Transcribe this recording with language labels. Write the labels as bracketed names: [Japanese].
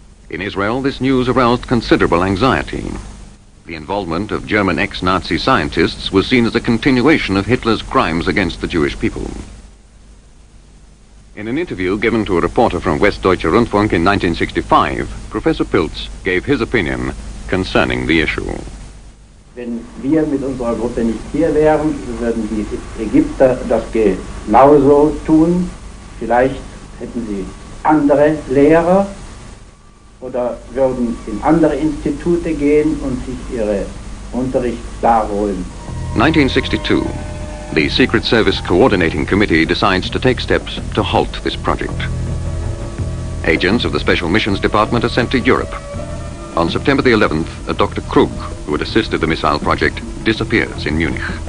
[English] In Israel, this news aroused considerable anxiety. The involvement of German ex-Nazi scientists was seen as a continuation of Hitler's crimes against the Jewish people. In an interview given to a reporter from Westdeutscher Rundfunk in 1965, Professor Pilz gave his opinion concerning the issue. [German] Wenn wir mit unserer Gruppe nicht hier wären, würden die Ägypter das genauso tun. Vielleicht hätten sie andere Lehrer oder würden in andere Institute gehen und sich ihre Unterricht da holen. [English] 1962. The Secret Service Coordinating Committee decides to take steps to halt this project. Agents of the Special Missions Department are sent to Europe. On September the 11th, a Dr. Krug, who had assisted the missile project, disappears in Munich.